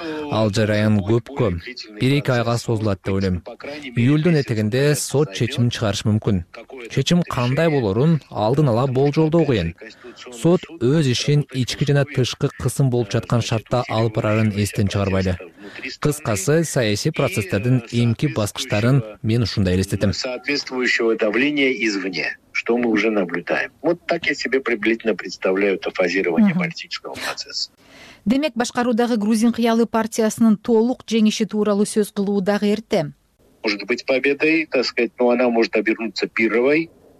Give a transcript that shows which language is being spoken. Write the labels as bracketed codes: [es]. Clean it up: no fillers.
[ky] Ал жараян көпкө 1-2 айга созулат деп ойлойм. Июлдун этегинде сот чечим чыгарышы мүмкүн. Чечим кандай болорун алдын ала болжолдоо кыйын. Сот өз ишин ички жана тышкы кысым болуп жаткан шартта алып барарын эстен чыгарбайлы. Кыскасы, саясий процесстердин эмки баскычтарын мен ушундай элестетем. [ru] Соответствующего давления извне, что мы уже наблюдаем. Вот так я себе приблизительно представляю это фазирование политического процесса. [ky] Демек, башкаруудагы грузин кыялы партиясынын толук жеңиши тууралуу сөз кылуу дагы эрте. [ru] Может быть, победой, так сказать, но она может обернуться пировой.